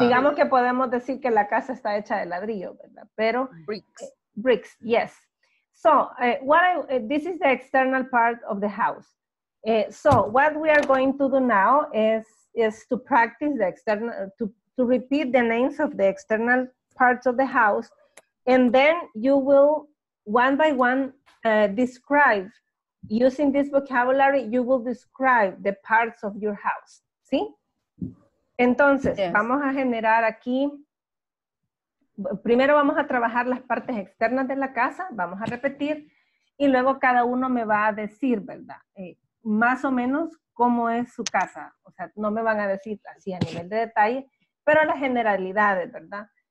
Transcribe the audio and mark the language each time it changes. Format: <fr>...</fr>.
<es>Digamos que podemos decir que la casa está hecha de ladrillo, ¿verdad? Pero.</es> <en>Bricks. Bricks, yes. So, this is the external part of the house. So, what we are going to do now is to practice the external, to repeat the names of the external parts of the house, and then you will one by one describe, using this vocabulary, you will describe the parts of your house.</en> <es>¿Sí? Entonces,</es> <en>yes.</en> <es>Vamos a generar aquí, primero vamos a trabajar las partes externas de la casa, vamos a repetir, y luego cada uno me va a decir, ¿verdad? Más o menos cómo es su casa. O sea, no me van a decir así a nivel de detalle, pero las generalidades, ¿verdad?</es>